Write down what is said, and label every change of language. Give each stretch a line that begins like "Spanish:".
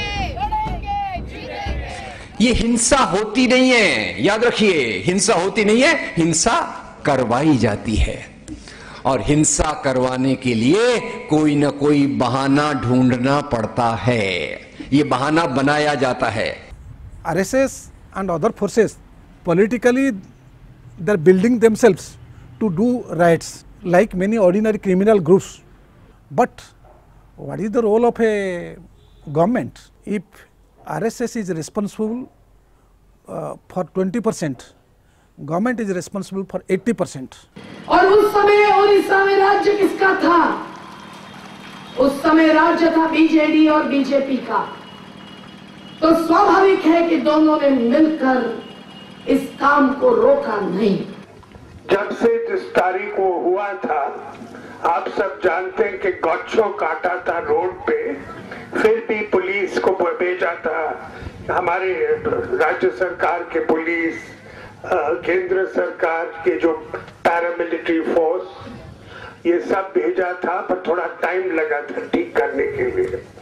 Hindi: ये हिंसा होती नहीं है, याद रखिए, हिंसा होती नहीं है, हिंसा करवाई जाती है। और हिंसा करवाने के लिए कोई ना कोई बहाना ढूंढना पड़ता है, ये बहाना बनाया जाता है।
English: RSS and other forces politically they're building themselves to do riots like many ordinary criminal groups, but what is the role of a government if RSS is responsible for 20%, government is responsible for 80%.
Hindi: और उस समय उड़ीसा में राज्य किसका था? उस समय राज्य था बीजेडी और बीजेपी का। तो स्वाभाविक है कि दोनों ने मिलकर इस काम को रोका नहीं। जब से जिस तारीख को हुआ था, आप सब जानते हैं कि गच्छों काटा था रोड पे, फिर भी पुलिस को भेजा था, हमारे राज्य सरकार के पुलिस, केंद्र सरकार के जो पैरामिलिट्री फोर्स, ये सब भेजा था, पर थोड़ा टाइम लगा था ठीक करने के लिए।